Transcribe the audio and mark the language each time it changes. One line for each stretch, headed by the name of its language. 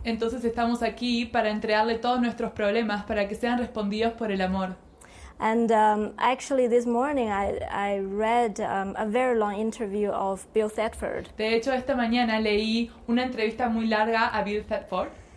Spanish: Entonces estamos aquí para entregarle todos nuestros problemas para que sean respondidos por el amor.
English: And actually this morning I read a very long interview of Bill Thetford.
Spanish: De hecho esta mañana leí una entrevista muy larga a Bill Thetford.